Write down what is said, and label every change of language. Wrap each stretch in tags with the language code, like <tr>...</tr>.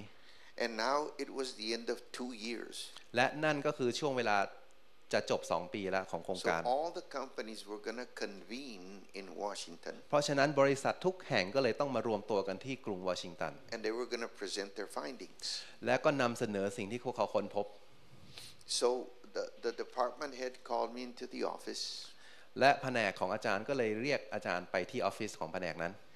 <en>And now it was the end of 2 years.</en> <th>และนั่นก็คือช่วงเวลาจะจบ2 ปีแล้วของโครงการ</th> <en>So all the companies were going to convene in Washington</en> <th>เพราะฉะนั้นบริษัททุกแห่งก็เลยต้องมารวมตัวกันที่กรุงวอชิงตัน</th> <en>And they were going to present their findings</en> <th>และก็นำเสนอสิ่งที่พวกเขาค้นพบ</th> <en>So the department head called me into the office</en> <th>และแผนกของอาจารย์ก็เลยเรียกอาจารย์ไปที่ออฟฟิศของแผนกนั้น</th>